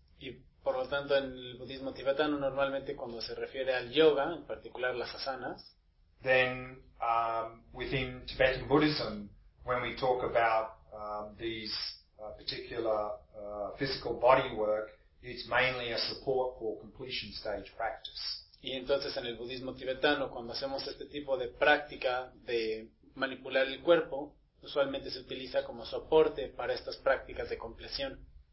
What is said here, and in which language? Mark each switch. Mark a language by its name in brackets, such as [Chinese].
[Spanish] Y por lo tanto en el budismo tibetano normalmente cuando se refiere al yoga, en particular las asanas. [English] Then within Tibetan Buddhism, when we talk about these particular physical body work, it's mainly a support for completion stage practice. [Spanish] Y entonces en el budismo tibetano, cuando hacemos este tipo de práctica de manipular el cuerpo, usualmente se utiliza como soporte para estas prácticas de compleción.